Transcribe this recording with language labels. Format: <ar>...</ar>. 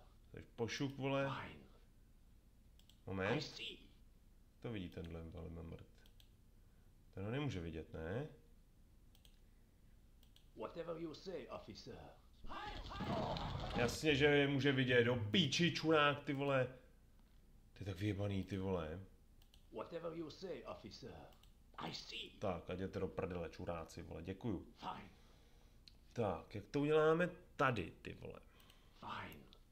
<cs>Tak pošuk, vole. Moment. To vidí tenhle, ale mám mrt. Ten ho nemůže vidět, ne?</cs> <en>Whatever you say, officer.</en> <cs>Jasně, že je může vidět, do píči čurák, ty vole. Ty tak vyjebaný, ty vole.</cs> <en>Whatever you say, officer. I see.</en> <cs>Tak, a jděte do prdele, čuráci, vole, děkuju.</cs> <en>Fine.</en> <cs>Tak, jak to uděláme tady, ty vole? Fine.</cs>